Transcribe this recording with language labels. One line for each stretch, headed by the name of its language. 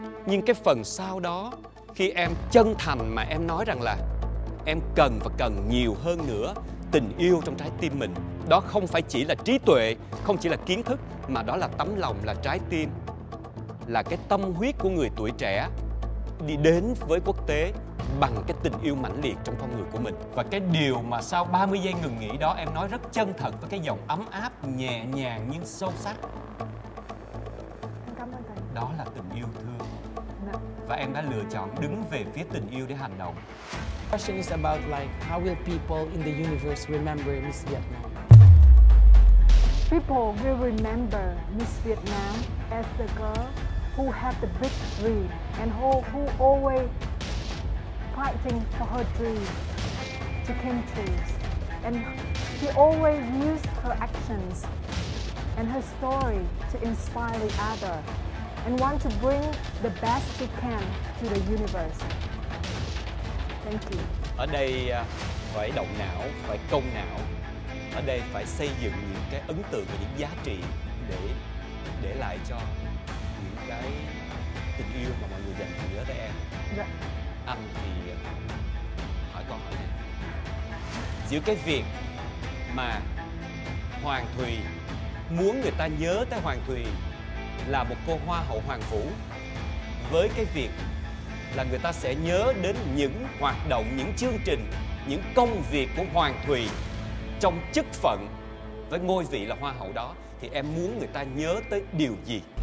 Vietnamese: Nhưng cái phần sau đó, khi em chân thành mà em nói rằng là em cần và cần nhiều hơn nữa tình yêu trong trái tim mình, đó không phải chỉ là trí tuệ, không chỉ là kiến thức, mà đó là tấm lòng, là trái tim, là cái tâm huyết của người tuổi trẻ đi đến với quốc tế bằng cái tình yêu mãnh liệt trong con người của mình. Và cái điều mà sau 30 giây ngừng nghỉ đó em nói rất chân thật với cái giọng ấm áp, nhẹ nhàng nhưng sâu sắc. Em cảm ơn thầy. Đó là tình yêu thương. Và em đã lựa chọn đứng về phía tình yêu để hành động.
English: Question is about like how will people in the universe remember Miss Vietnam? People will remember Miss Vietnam as the girl who had the big dream and who always fighting for her dream to come true. And she always used her actions and her story to inspire the other and want to bring the best she can to the universe. Thank you.
Vietnamese: Ở đây phải động não, phải công não. Ở đây phải xây dựng những cái ấn tượng và những giá trị để lại cho những cái tình yêu mà mọi người dành cho giữa các em. Anh thì hỏi con hỏi này. Giữa cái việc mà Hoàng Thùy muốn người ta nhớ tới Hoàng Thùy là một cô hoa hậu hoàng vũ, với cái việc là người ta sẽ nhớ đến những hoạt động, những chương trình, những công việc của Hoàng Thùy trong chức phận với ngôi vị là hoa hậu đó, thì em muốn người ta nhớ tới điều gì?